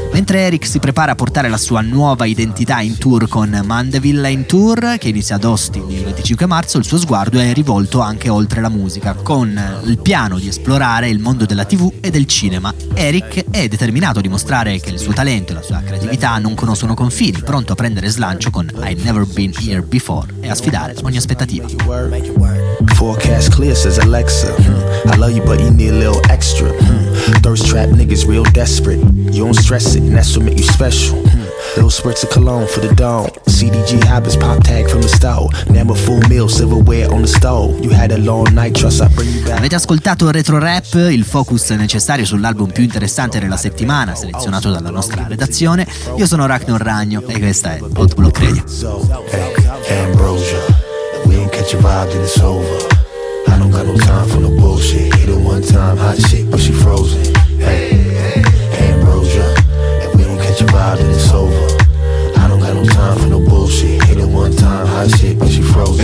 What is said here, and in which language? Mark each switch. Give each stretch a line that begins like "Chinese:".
Italian: Mentre Eric si prepara a portare la sua nuova identità in tour con Mandeville in Tour, che inizia ad Austin il 25 marzo, il suo sguardo è rivolto anche oltre la musica, con il piano di esplorare il mondo della TV e del cinema. Eric è determinato a dimostrare che il suo talento e la sua creatività non conoscono confini, pronto a prendere slancio con I Never Been Here Before e a sfidare ogni aspettativa.
English: Forecast clear, says Alexa. I love you, but you need a little extra. Thirst trap niggas real desperate. You don't stress it, and that's what make you special. Little spritz of cologne for the dome. CDG habits, pop tag from the stove. Name a full meal, silverware on the stove. You had a long night, trust I bring you back.
Italian: Avete ascoltato Retro Rap, il focus necessario sull'album più interessante della settimana, selezionato dalla nostra redazione. Io sono Ragnar Ragno e questa è Hot Block Radio.
English: Ambrosia. We don't catch a vibe, then it's over. I don't got no time for no bullshit. Hit her one time, hot shit, but she frozen. Hey, Ambrosia. If we don't catch a vibe, then it's over. I don't got no time for no bullshit. Hit her one time, hot shit, but she frozen.